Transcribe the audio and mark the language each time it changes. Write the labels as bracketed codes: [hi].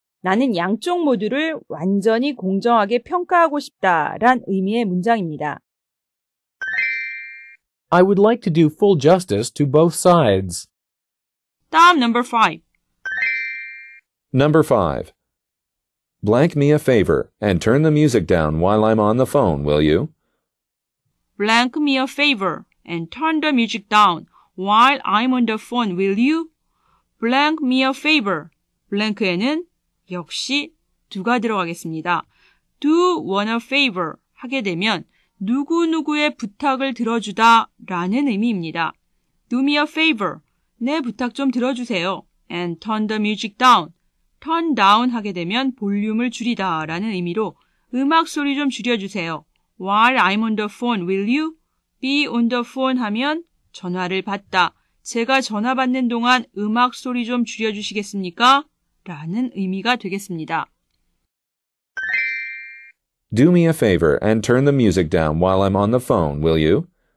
[ko] 나는 양쪽 모두를 완전히 공정하게 평가하고 싶다란 의미의 문장입니다. [en] I would like to do full justice to both sides. 다음 number 5. Number 5. Blank me a favor and turn the music down while I'm on the phone, will you? Blank me a favor and turn the music down while I'm on the phone, will you? Blank me a favor. [ko] Blank에는 역시 두가 들어가겠습니다. Do one a favor 하게 되면 누구누구의 부탁을 들어주다 라는 의미입니다. [en] Do me a favor. [ko] 내 부탁 좀 들어주세요. [en] And turn the music down. [ko] Turn down 하게 되면 볼륨을 줄이다 라는 의미로 음악 소리 좀 줄여주세요. [en] While I'm on the phone, will you? Be on the phone [ko] 하면 전화를 받다. 제가 전화 받는 동안 음악 소리 좀 줄여주시겠습니까? 라는 의미가 되겠습니다. [en] Do me a favor and turn the music down while I'm on the phone, will you?